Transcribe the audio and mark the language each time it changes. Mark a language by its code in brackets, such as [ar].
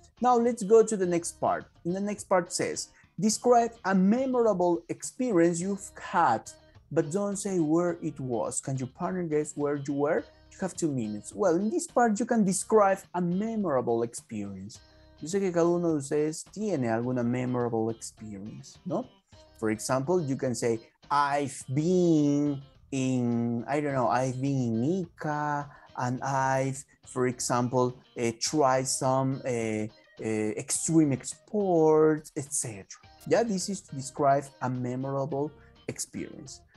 [en] Now let's go to the next part. In the next part says, describe a memorable experience you've had, but don't say where it was. Can your partner guess where you were? You have 2 minutes. Well, in this part, you can describe a memorable experience. [es] Yo sé que cada uno de ustedes tiene alguna [en] memorable experience, [es] no? [en] For example, you can say, I've been in, I don't know, I've been in Ica, and I've, for example, tried some, extreme sports, etc. Yeah, this is to describe a memorable experience.